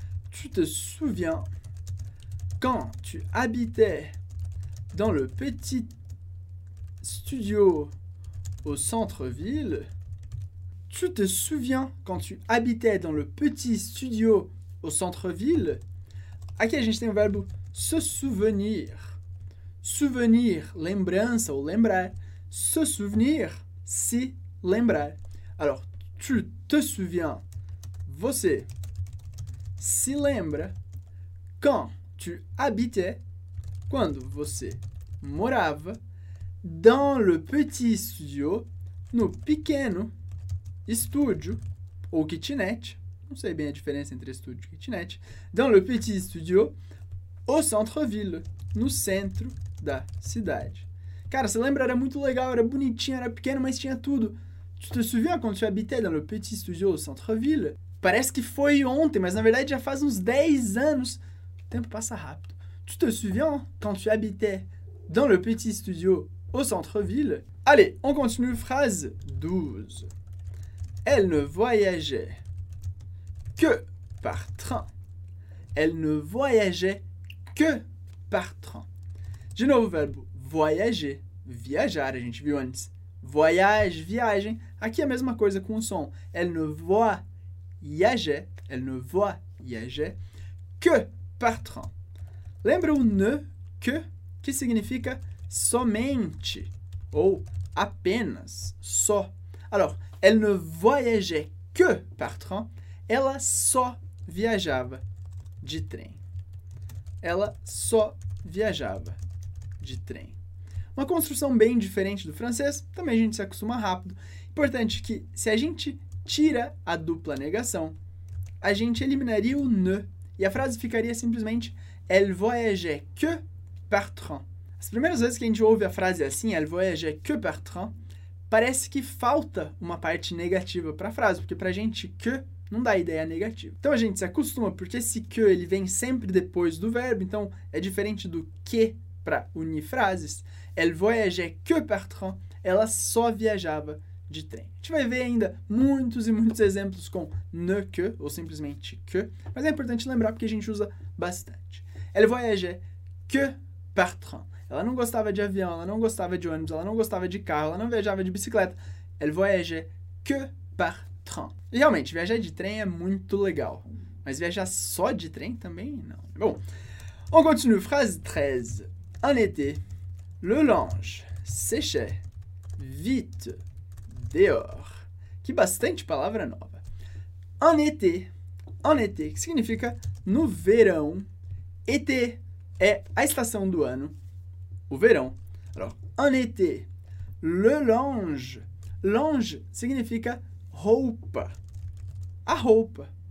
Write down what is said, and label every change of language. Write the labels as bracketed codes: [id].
[fr] Tu te souviens quand tu habitais dans le petit studio au centre-ville? Tu te souviens quand tu habitais dans le petit studio au centre-ville? [pt] Aqui a gente tem o verbo se souvenir. [fr] Souvenir, [pt] lembrança ou lembrar. [fr] Se souvenir, [pt] se lembrar. [fr] Alors, tu te souviens, [pt] você se lembra [fr] quand tu habitais, [pt] quando você morava, [fr] dans le petit studio, [pt] no pequeno estúdio ou kitchenette. Não sei bem a diferença entre estúdio e kitchenet. [fr] Dans le petit studio, au centre-ville, [pt] no centro da cidade. Cara, você lembra? Era muito legal, era bonitinho, era pequeno, mas tinha tudo. [fr] Tu te souviens quand tu habitais dans le petit studio au centre-ville? [pt] Parece que foi ontem, mas na verdade já faz uns 10 anos. O tempo passa rápido. [fr] Tu te souviens quand tu habitais dans le petit studio au centre-ville? Allez, on continue, phrase 12. Elle ne voyageait que par train. Elle ne voyageait que par train. [pt] De novo, o verbo voyager, viajar, a gente viu antes. Voyage, viagem. Aqui a mesma coisa com o som. [fr] Elle ne voyageait, elle ne voyageait que par train. [pt] Lembra o ne, que significa somente ou apenas, só. [fr] Alors, elle ne voyageait que par train. [pt] Ela só viajava de trem. Ela só viajava de trem. Uma construção bem diferente do francês, também a gente se acostuma rápido. Importante que se a gente tira a dupla negação, a gente eliminaria o ne. E a frase ficaria simplesmente [fr] elle voyageait que par train. [pt] As primeiras vezes que a gente ouve a frase assim, [fr] elle voyageait que par train, [pt] parece que falta uma parte negativa para a frase, porque para a gente que não dá ideia negativa. Então a gente se acostuma, porque esse que ele vem sempre depois do verbo, então é diferente do que para unir frases. [fr] Elle voyageait que par train. [pt] Ela só viajava de trem. A gente vai ver ainda muitos e muitos exemplos com ne que, ou simplesmente que, mas é importante lembrar porque a gente usa bastante. [fr] Elle voyageait que par train. [pt] Ela não gostava de avião, ela não gostava de ônibus, ela não gostava de carro, ela não viajava de bicicleta. [fr] Elle voyageait que par train. [pt] E realmente, viajar de trem é muito legal. Mas viajar só de trem também não. [fr] Bom, on continue. Phrase 13. Un été, le linge séchait vite dehors. [pt] Que bastante palavra nova. [fr] Un été, [pt] que significa no verão. Été é a estação do ano, o verão. [fr] Alors, un été, le linge. Linge [pt] significa roupa, a roupa.